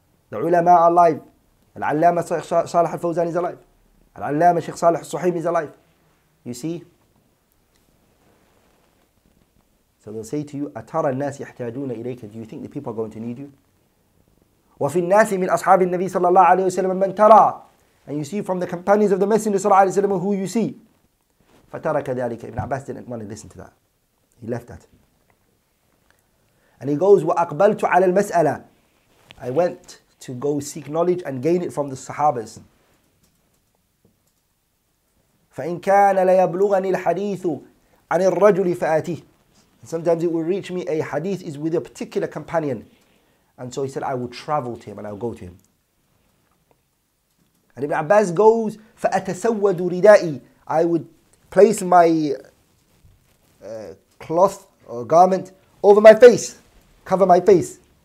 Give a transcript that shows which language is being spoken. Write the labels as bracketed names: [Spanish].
[English] The ulama are alive. Al-allama Salih al-Fawzan is alive. Al-allama Sheikh Salih al-Suhaim is alive. You see? So they'll say to you, [Arabic] Atara al-Nas yahtajuna ilayka. [English] Do you think the people are going to need you? [Arabic] وفي الناس من أصحاب النبي صلى الله عليه وسلم من ترى. [English] And you see from the companions of the Messenger صلى الله عليه وسلم who you see. [Arabic] فترك ذلك. [English] Ibn Abbas didn't want to listen to that. He left that. And he goes, [Arabic] وأقبلت على المسألة. [English] I went to go seek knowledge and gain it from the Sahabas. [Arabic] فإن كان ليبلغني الحديث عن الرجل فآتيه. [English] Sometimes it will reach me, a hadith is with a particular companion. And so he said, I will travel to him and I will go to him. And Ibn Abbas goes, [Arabic] فَأَتَسَوَّدُ رِدَائِي. [English] I would place my cloth or garment over my face, cover my face.